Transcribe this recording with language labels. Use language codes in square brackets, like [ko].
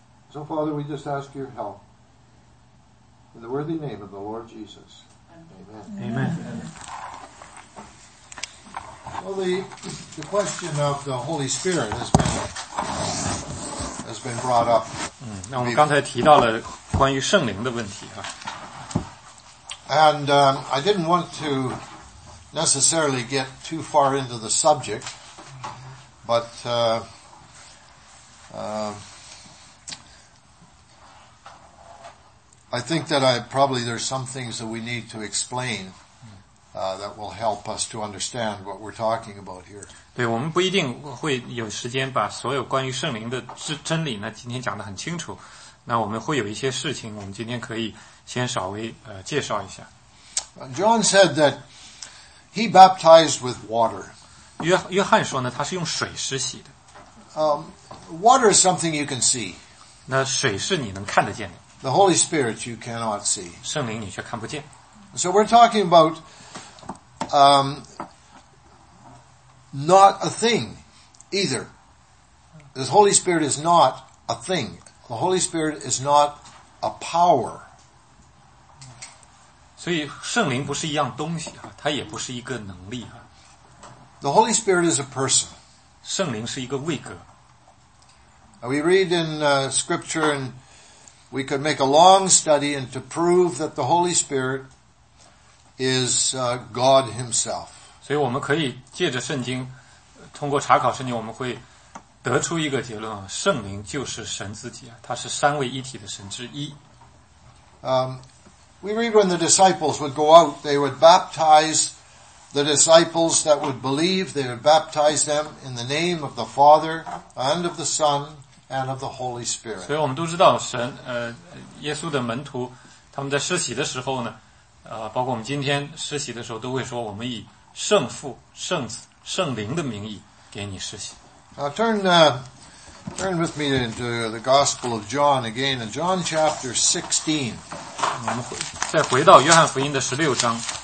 [en] So, Father, we just ask your help. In the worthy name of the Lord Jesus. Amen. Amen. Well, the question of the Holy Spirit has been brought up. [zh] 那我们刚才提到了关于圣灵的问题啊。 [en] And I didn't want to necessarily get too far into the subject, but I think that there's some things that we need to explain that will help us to understand what we're talking about here. [zh] 对，我们不一定会有时间把所有关于圣灵的真理呢今天讲得很清楚。那我们会有一些事情我们今天可以先稍微介绍一下。 [en] John said that he baptized with water. [zh] 约翰说呢他是用水施洗的。 [en] Water is something you can see. [zh] 那水是你能看得见的。 [en] The Holy Spirit you cannot see. [zh] 圣灵你却看不见。 [en] So we're talking about not a thing either. The Holy Spirit is not a thing. The Holy Spirit is not a power. [zh] 所以圣灵不是一样东西啊，它也不是一个能力啊。 [en] The Holy Spirit is a person. [zh] 圣灵是一个位格。 [en] We read in scripture and we could make a long study and to prove that the Holy Spirit is God himself. [zh] 所以我们可以借着圣经通过查考圣经我们会得出一个结论圣灵就是神自己他是三位一体的神之一。 [en] We read when the disciples would go out, they would baptize the disciples that would believe, they would baptize them in the name of the Father and of the Son and of the Holy Spirit. [zh] 所以我们都知道神耶稣的门徒他们在施洗的时候呢包括我们今天施洗的时候都会说我们以圣父、圣子、圣灵的名义给你施洗。 [en] Turn with me into the Gospel of John again, in John chapter 16. [zh] 我们再回到约翰福音的16章。